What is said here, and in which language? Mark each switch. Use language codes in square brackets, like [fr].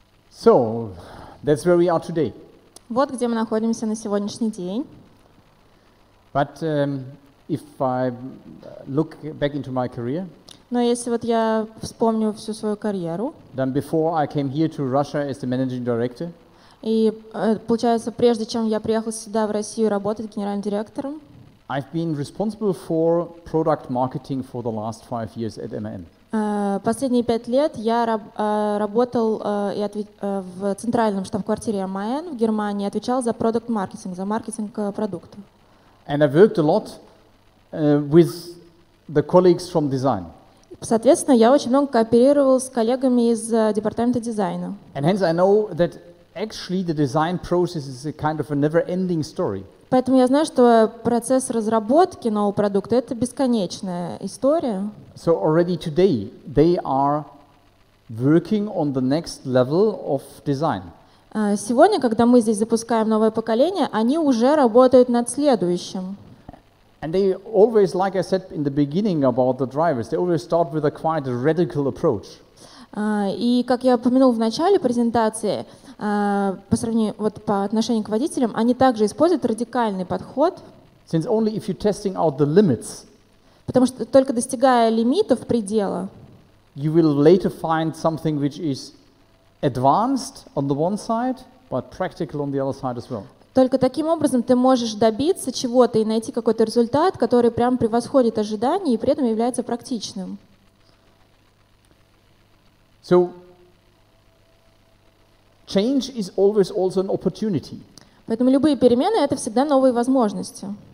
[en] So, that's where we are today. [ru] Вот где мы находимся на сегодняшний день. [en] But if I look back into my career. [ru] Но если вот я вспомню всю свою карьеру. [en] Then before I came here to Russia as the managing director. [ru] И получается, прежде чем я приехал сюда в Россию работать генеральным директором. [en] I've been responsible for product marketing for the last 5 years at MAN. [ru] Последние 5 лет я работал в центральном штаб-квартире MAN в Германии, отвечал за [en] product marketing, [ru] за маркетинг продукта. [en] And I worked a lot with the colleagues from design. [ru] Соответственно, я очень много кооперировал с коллегами из департамента дизайна. [en] And hence I know that actually the design process is a kind of a never-ending story. [ru] Поэтому я знаю, что процесс разработки нового продукта — это бесконечная история. [en] So already today they are working on the next level of design. [ru] Сегодня, когда мы здесь запускаем новое поколение, они уже работают над следующим. [en] And they always, like I said in the beginning about the drivers, they always start with a quite radical approach. [ru] И как я упомянул в начале презентации, по сравнению вот по отношению к водителям, они также используют радикальный подход. [en] Since only if you're testing out the limits. [ru] Потому что только достигая лимитов предела, [en] you will later find something which is advanced on the one side, but practical on the other side as well. [ru] Только таким образом ты можешь добиться чего-то и найти какой-то результат, который прям превосходит ожидания и при этом является практичным. [en] So change is always also an opportunity. [ru] Поэтому любые перемены — это всегда новые возможности.